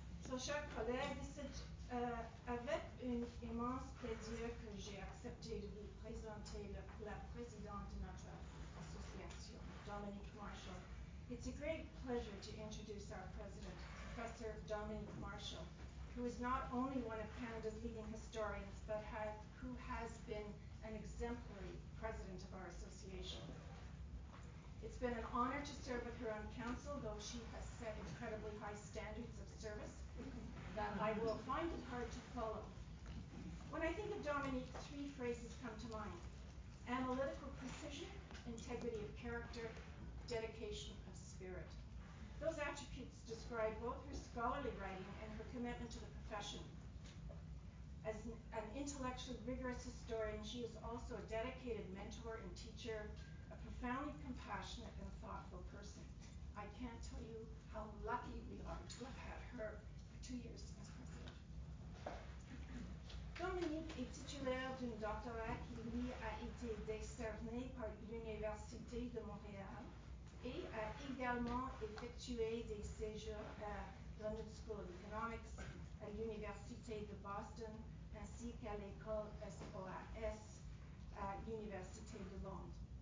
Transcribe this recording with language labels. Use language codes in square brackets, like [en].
[fr] So, chers collègues, c'est avec un immense plaisir que j'ai accepté de vous présenter la présidente de notre association, Dominique Marshall. [en] It's a great pleasure to introduce our president, Professor Dominique Marshall, who is not only one of Canada's leading historians, but who has been an exemplary president of our association. It's been an honor to serve with her on council, though she has set incredibly high standards of service that I will find it hard to follow. When I think of Dominique, three phrases come to mind: analytical precision, integrity of character, dedication of spirit. Those attributes describe both her scholarly writing and her commitment to the profession. As an intellectually rigorous historian, she is also a dedicated mentor and teacher, a profoundly compassionate and thoughtful person. I can't tell you how lucky we are to have had her for 2 years as president. [fr] Dominique est titulaire d'un doctorat qui lui a été décerné par l'Université de Montréal et a également effectué des séjours à London School of Economics, à l'Université de Boston, ainsi qu'à l'école SOAS à l'Université de Londres.